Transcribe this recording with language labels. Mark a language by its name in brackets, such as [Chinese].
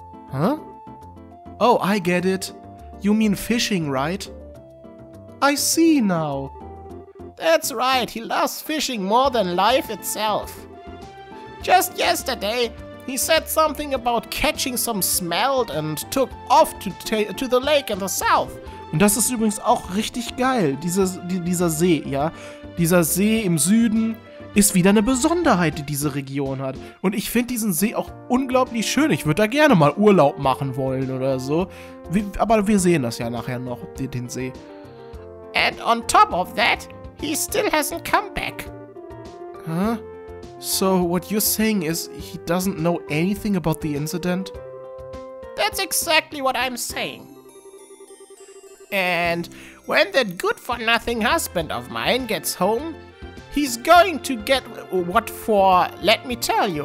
[English] Huh? Oh, I get it. You mean fishing, right? I see now. That's right, he loves fishing more than life itself. Just yesterday, he said something about catching some smelt and took off to the lake in the south. [German] Und das ist übrigens auch richtig geil, dieser See, ja? Dieser See im Süden ist wieder eine Besonderheit, die diese Region hat. Und ich finde diesen See auch unglaublich schön. Ich würde da gerne mal Urlaub machen wollen oder so. Aber wir sehen das ja nachher noch, den See. [English] And on top of that, he still hasn't come back. Huh? So what you're saying is he doesn't know anything about the incident? That's exactly what I'm saying. And when that good-for-nothing husband of mine gets home, he's going to get what for, let me tell you.